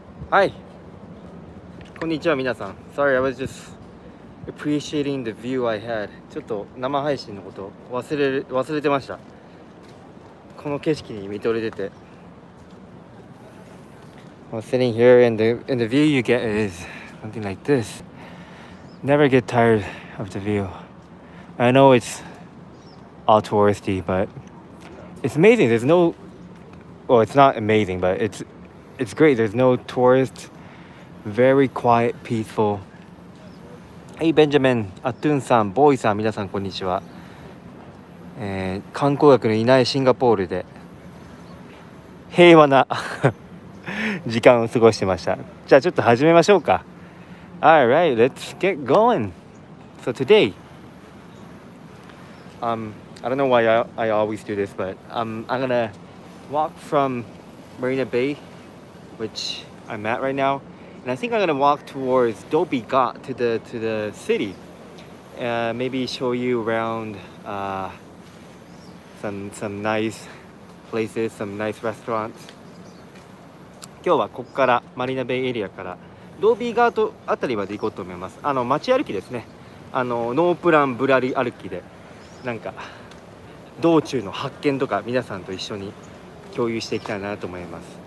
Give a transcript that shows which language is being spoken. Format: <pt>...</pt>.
<ja>はい、こんにちは皆さん。</ja> <en>Sorry, I was just appreciating the view I had。</en> <ja>ちょっと生配信のこと忘れてました。この景色に見とれてて、</ja> <en>I'm sitting here and the view you get is something like this. Never get tired of the view. I know it's all touristy, but it's amazing. There's no, well, it's not amazing, but it's great. There's no tourists. Very quiet, peaceful.</en> <ja>Hey, Benjamin, Atun さん、ボーイさん、皆さんこんにちは。観光客のいないシンガポールで平和な時間を過ごしてました。じゃあちょっと始めましょうか。</ja> <en>All right, let's get going. So today, I don't know why I always do this, but I'm gonna walk from Marina Bay, which I'm at right now, and I think I'm gonna walk towards Dhoby Ghaut to the city, and maybe show you around some nice places, some nice restaurants.</en> <ja>今日はここからマリーナベイエリアからドービーガートあたりまで行こうと思います。あの街歩きですね。あのノープランぶらり歩きで、なんか道中の発見とか皆さんと一緒に共有していきたいなと思います。</ja>